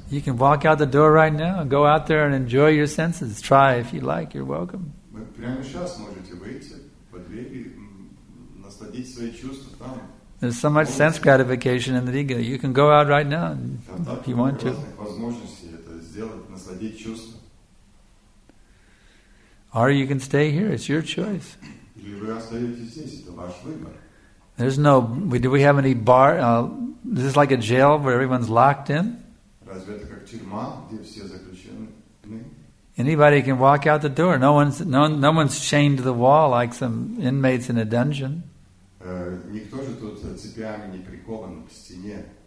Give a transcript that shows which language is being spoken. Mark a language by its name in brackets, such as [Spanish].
[English] You can walk out the door right now, go out there and enjoy your senses. Try if you like, you're welcome. [Russian] Вы прямо сейчас можете выйти под двери, насладить свои чувства там. [English] There's so much sense gratification in the ego. You can go out right now if you want to. [Russian] Возможности это сделать, насладить чувства. [English] Or you can stay here, it's your choice. [Russian] Или вы остаетесь здесь, это ваш выбор. [English] There's no. Do we have any bar? Is this like a jail where everyone's locked in? [Russian] Разве это как тюрьма, где все заключены? [English] Anybody can walk out the door. No one's chained to the wall like some inmates in a dungeon. [Russian] Никто же тут цепями не прикован к стене.